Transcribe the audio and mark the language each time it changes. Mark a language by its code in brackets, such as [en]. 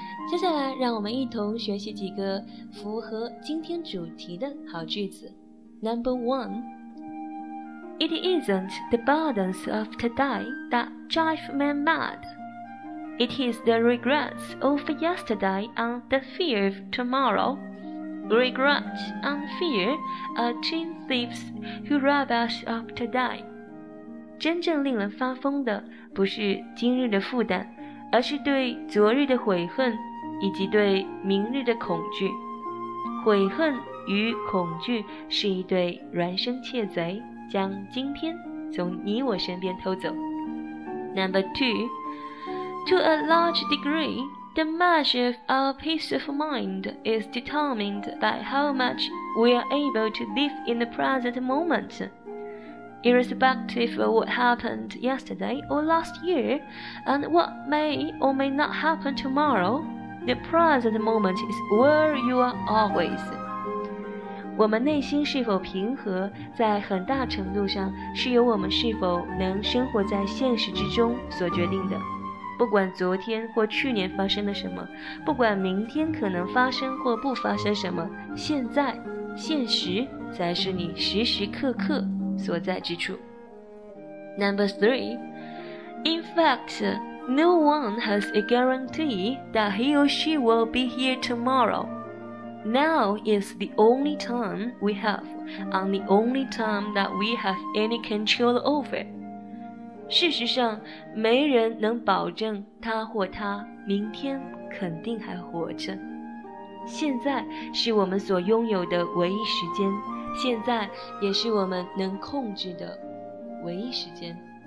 [zh] 接下来让我们一同学习几个符合今天主题的好句子。 [en] Number one， It isn't the burdens of today that drive men mad， It is the regrets of yesterday and the fear of tomorrow。 Regret and fear are twin thieves who rob us of today。 [zh] 真正令人发疯的不是今日的负担，而是对昨日的悔恨以及对明日的恐惧。悔恨与恐惧是一对孪生窃贼，将今天从你我身边偷走。 [en] Number two， To a large degreeThe measure of our peace of mind is determined by how much we are able to live in the present moment. Irrespective of what happened yesterday or last year, and what may or may not happen tomorrow, the present moment is where you are always. [zh] 我们内心是否平和，在很大程度上是由我们是否能生活在现实之中所决定的。不管昨天或去年发生了什么，不管明天可能发生或不发生什么，现在现实才是你时时刻刻所在之处。 [en] Number three， In fact， No one has a guarantee that he or she will be here tomorrow。 Now is the only time we have and the only time that we have any control over。 [zh] 事实上，没人能保证他或他明天肯定还活着。现在是我们所拥有的唯一时间，现在也是我们能控制的唯一时间。